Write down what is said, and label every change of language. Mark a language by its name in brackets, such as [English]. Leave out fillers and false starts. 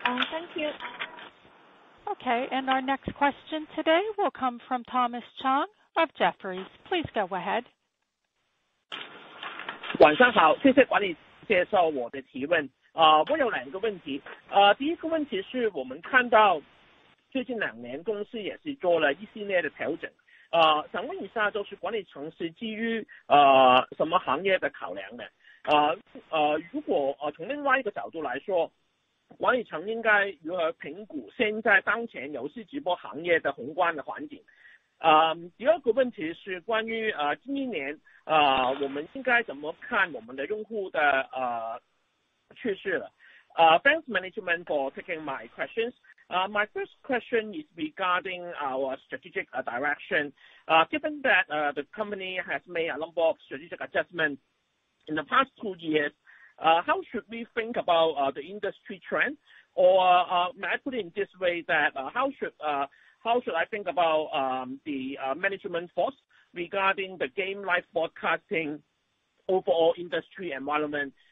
[English] Thank you. Okay, and our next question today will come from Thomas Chong of Jefferies. Please go ahead. [Chinese] 晚上好，谢谢管理接受我的提问。我有两个问题。第一个问题是我们看到最近两年公司也是做了一系列的调整。想问一下，就是管理层是基于什么行业的考量呢？如果从另外一个角度来说，管理层应该如何评估现在当前游戏直播行业的宏观的环境？第二个问题是关于今年我们应该怎么看我们的用户的趋势了？ [English] Thanks management for taking my questions. My first question is regarding our strategic direction. Given that the company has made a number of strategic adjustments in the past 2 years,how should we think about the industry trend? Or may I put it in this way that how should I think about the management force regarding the game live broadcasting overall industry environment?